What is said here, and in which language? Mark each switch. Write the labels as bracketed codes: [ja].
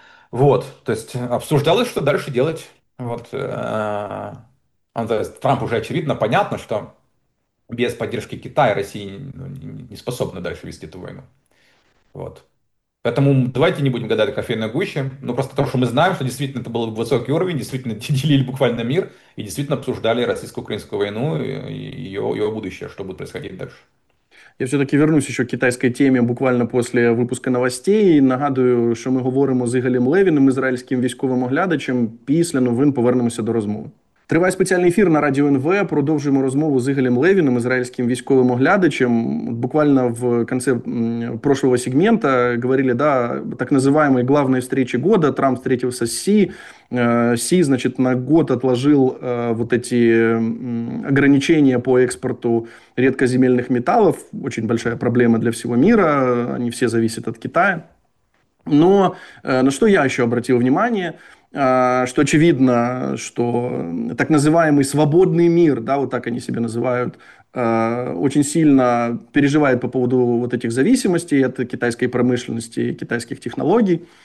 [ru] Вот, то есть обсуждалось, что дальше делать. Вот, Трамп уже очевидно, понятно, что без поддержки Китая Россия не способна дальше вести эту войну. Вот. Поэтому давайте не будем гадать кофейной гуще, но просто то, что мы знаем, что действительно это был высокий уровень, действительно делили буквально мир и действительно обсуждали российско-украинскую войну и ее будущее, что будет происходить дальше. Я все-таки вернусь еще к китайской темі буквально [uk] після випуску [ru] новостей. [uk] Нагадую, що ми говоримо з Ігорем Левіним, ізраїльським військовим оглядачем. Після новин повернемося до розмови. Триває спеціальний ефір на Радіо НВ. Продовжуємо розмову з Ігорем Левіним, ізраїльським військовим оглядачем. Буквально в кінці прошлого сегмента говорили, да, так називаємо главної встречі года. Трамп зустрічався з Сі. [ru] Сі, значить, на год отложил вот эти ограничения по экспорту редкоземельных металлов. Очень большая проблема для всего мира. Они все зависят от Китая. Но на что я еще обратил внимание, что очевидно, что так называемый свободный мир, да, вот так они себя называют, очень сильно переживает по поводу вот этих зависимостей от китайской промышленности, китайских технологий.